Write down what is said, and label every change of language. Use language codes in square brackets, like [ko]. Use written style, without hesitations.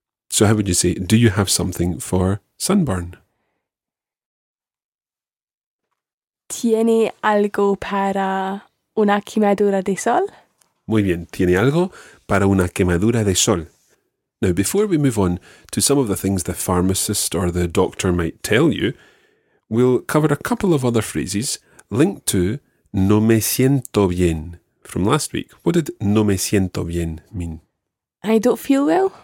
[en] So how would you say, do you have something for sunburn? [es] ¿Tiene algo para una quemadura de sol? Muy bien. ¿Tiene algo para una quemadura de sol? [en] Now, before we move on to some of the things the pharmacist or the doctor might tell you, we'll cover a couple of other phrases linked to [es] no me siento bien [en] from last week. What did [es] no me siento bien [en] mean? I don't feel well.